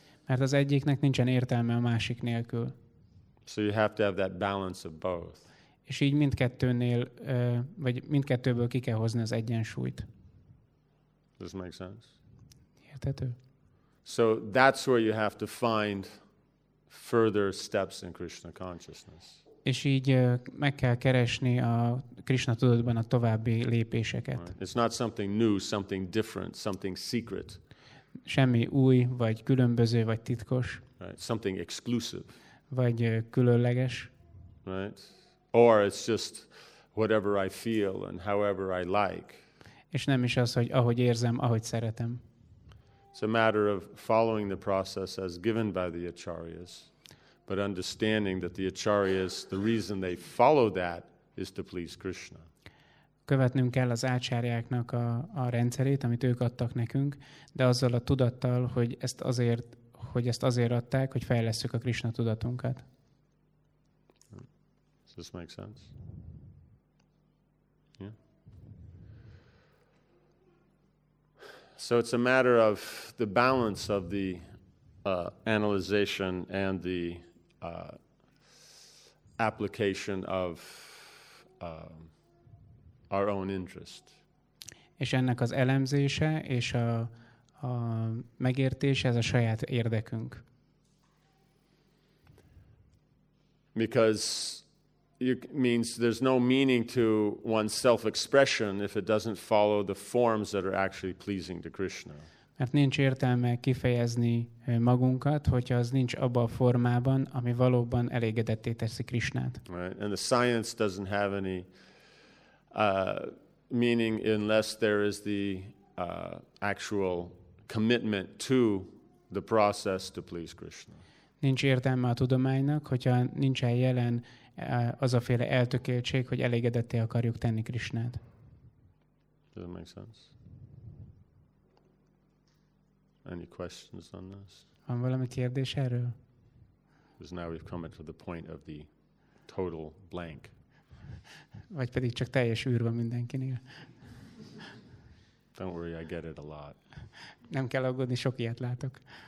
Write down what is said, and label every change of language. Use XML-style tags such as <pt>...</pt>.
<hu>Mert az egyiknek nincsen értelme a másik nélkül.</hu> <en>So you have to have that balance of both.</en> <hu>És így mindkettőnél vagy mindkettőből ki kell hozni az egyensúlyt.</hu> <en>Does make sense?</en> <hu>Érthető.</hu> <en>So that's where you have to find further steps in Krishna consciousness.</en> <hu>És így meg kell keresni a Krishna tudatban a további lépéseket.</hu> <en>Right. It's not something new, something different, something secret.</en> <hu>Semmi új vagy különböző vagy titkos.</hu> <en>Right. Something exclusive.</en> <hu>Vagy különleges.</hu> <en>Right. Or it's just whatever I feel and however I like.</en> <hu>És nem is az, hogy ahogy érzem, ahogy szeretem.</hu> <en>It's a matter of following the process as given by the acharyas, but understanding that the acharyas, the reason they follow that is to please Krishna.</en> <hu>Követnünk kell az ácsárjáknak a rendszerét, amit ők adtak nekünk, de azzal a tudattal, hogy ezt azért adták, hogy fejlesszük a Krishna tudatunkat.</hu> <en>Does this make sense? So it's a matter of the balance of the analyzation and the application of our own interest.</en> <hu>És ennek az elemzése és a megértése, ez a saját érdekünk.</hu> <en>Because it means there's no meaning to one's self-expression if it doesn't follow the forms that are actually pleasing to Krishna.</en> <hu>Mert nincs értelme kifejezni magunkat, hogyha az nincs abban a formában, ami valóban elégedetté teszi Krishnát.</hu> <en>Right. And the science doesn't have any meaning unless there is the actual commitment to the process to please Krishna.</en> <hu>Nincs értelme a tudománynak, hogyha nincsen jelen az a féle eltökéltség, hogy elégedetté akarjuk tenni Krishnát.</hu> <en>Does that make sense? Any questions on this?</en> <hu>Van valami kérdés erről?</hu> <en>Because now we've come to the point of the total blank.</en> <hu>Vagy pedig csak teljes űr van mindenkinél.</hu> <en>Don't worry, I get it a lot.</en> <hu>Nem kell aggódni, sok ilyet látok.</hu>